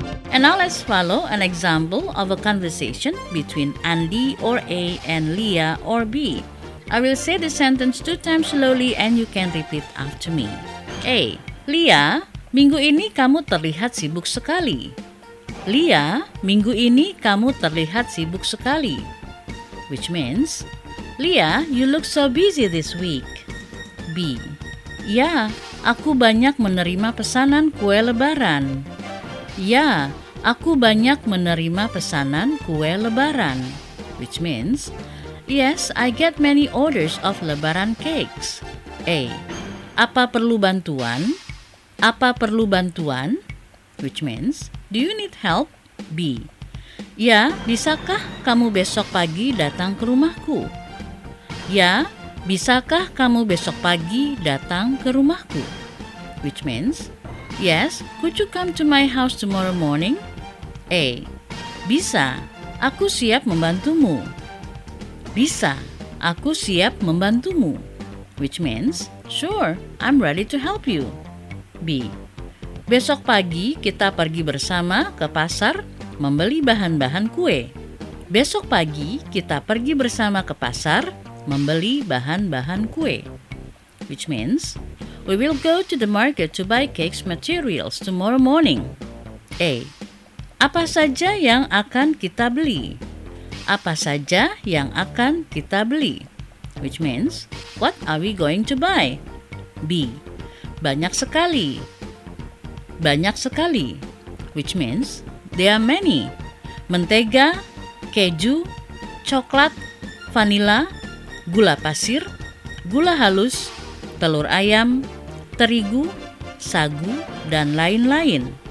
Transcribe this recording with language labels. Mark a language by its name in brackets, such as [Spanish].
[English] And now let's follow an example of a conversation between Andy or A and Leah or B. I will say the sentence two times slowly and you can repeat after me. A. [Indonesian] Leah, minggu ini kamu terlihat sibuk sekali. Leah, minggu ini kamu terlihat sibuk sekali. [English] Which means, Leah, you look so busy this week. [Indonesian] B. Ya, aku banyak menerima pesanan kue lebaran. Ya, aku banyak menerima pesanan kue lebaran. [English] Which means, yes, I get many orders of lebaran cakes. A. [Indonesian] Apa perlu bantuan? Apa perlu bantuan? [English] Which means, do you need help? B. [Indonesian] Ya, bisakah kamu besok pagi datang ke rumahku? Ya, bisakah kamu besok pagi datang ke rumahku? [English] Which means, yes, could you come to my house tomorrow morning? A. [Indonesian] Bisa, aku siap membantumu. Bisa, aku siap membantumu. [English] Which means, sure, I'm ready to help you. [Indonesian] B. Besok pagi kita pergi bersama ke pasar membeli bahan-bahan kue. Besok pagi kita pergi bersama ke pasar membeli bahan-bahan kue. [English] Which means, we will go to the market to buy cakes materials tomorrow morning. A. [Indonesian] Apa saja yang akan kita beli? Apa saja yang akan kita beli? [English] Which means, what are we going to buy? B. [Indonesian] Banyak sekali. Banyak sekali. [English] Which means, there are many. [Indonesian] Mentega, keju, coklat, vanila, gula pasir, gula halus, telur ayam, terigu, sagu, dan lain-lain.